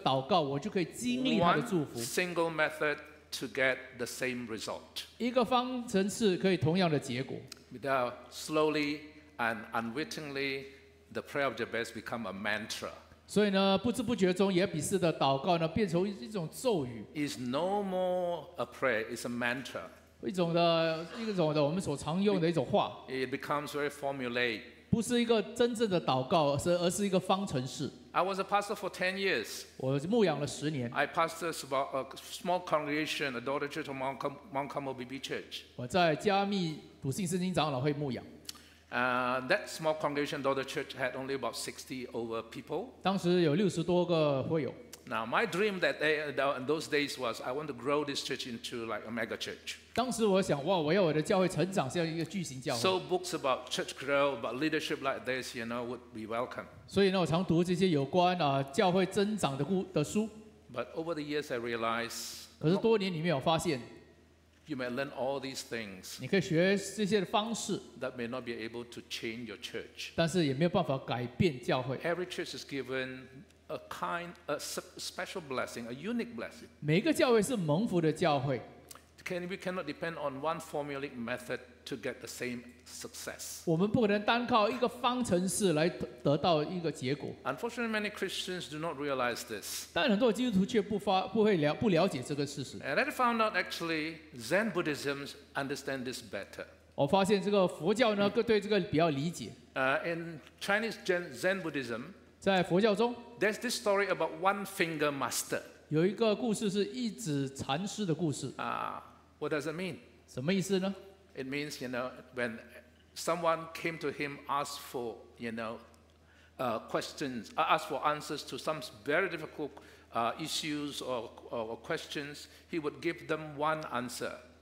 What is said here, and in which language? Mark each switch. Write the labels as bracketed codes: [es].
[zh] 很多人认为说我只要念耶比斯的这个祷告，我就可以经历他的祝福。 [en] One single method to get the same result. [zh] 一个方程式可以同样的结果。 [en] Without slowly and unwittingly, the prayer of Jabez become a mantra. [zh] 所以呢, 不知不觉中, 耶比斯的祷告呢, 变成一种咒语。 [en] It's no more a prayer, it's a mantra. [zh] 一种的, 我们所常用的一种话。 [en] It becomes very formulaic. [zh] 不是一个真正的祷告, 而是一个方程式。 [en] I was a pastor for 10 years. [zh] 我牧养了10年。 [en] I pastored a small congregation, a daughter church of Mount Carmel BB Church. [zh] 我在加密笃信圣经长老会牧养。 [en] That small congregation, daughter church, had only about 60 over people. [zh] 当时有60多个会友。 [en] Now, my dream that they, in those days was I want to grow this church into like a mega church. [zh] 当时我想，哇，我要我的教会成长，像一个巨型教会。 [en] So books about church growth, about leadership like this, you know, would be welcome. [zh] 所以呢，我常读这些有关教会增长的书。 [en] But over the years, I realized. [zh] 可是多年里面，我发现。 [en] You may learn all these things. [zh] 你可以学这些的方式。 [en] That may not be able to change your church. [zh] 但是也没有办法改变教会。 [en] Every church is given. A kind, a special blessing, a unique blessing. [zh] 每个教会是蒙福的教会。 [en] We cannot depend on one formulaic method to get the same success. [zh] 我们不可能单靠一个方程式来得到一个结果。 [en] Unfortunately, many Christians do not realize this. [zh] 但很多基督徒却不了解这个事实。 [en] And I found out actually, Zen Buddhism understands this better. [zh] 我发现这个佛教呢，对这个比较理解。 [en] In Chinese Zen Buddhism. [zh] 在佛教中, [en] There's this story about one finger master. [zh] 有一个故事是一指禅师的故事。 [en] What does it mean? [zh] 什么意思呢? [en] It means, you know, when someone came to him, asked for, you know, questions, asked for answers to some very difficult issues or questions, he would give them one answer.